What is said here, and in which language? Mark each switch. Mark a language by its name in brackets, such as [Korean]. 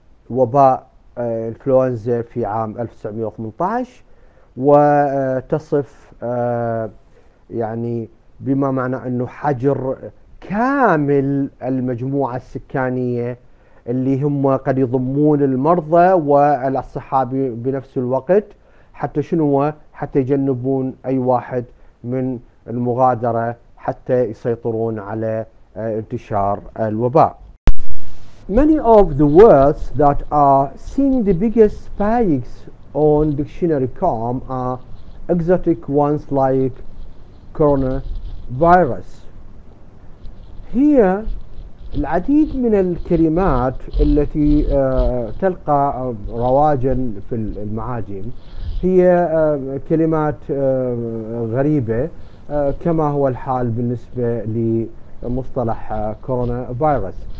[Arabic] وباء الانفلونزا في عام 1918، وتصف يعني بما معنى أنه حجر كامل المجموعة السكانية اللي هم قد يضمون المرضى والأصحاء بنفس الوقت، حتى شنو؟ حتى يجنبون أي واحد من المغادرة حتى يسيطرون على انتشار الوباء. [English] Many of the words that are seeing the biggest spikes on dictionary.com are exotic ones like coronavirus. [Arabic] Here, العديد من الكلمات التي تلقى رواجا في المعاجم هي كلمات غريبة، كما هو الحال بالنسبة لمصطلح كورونا فيروس.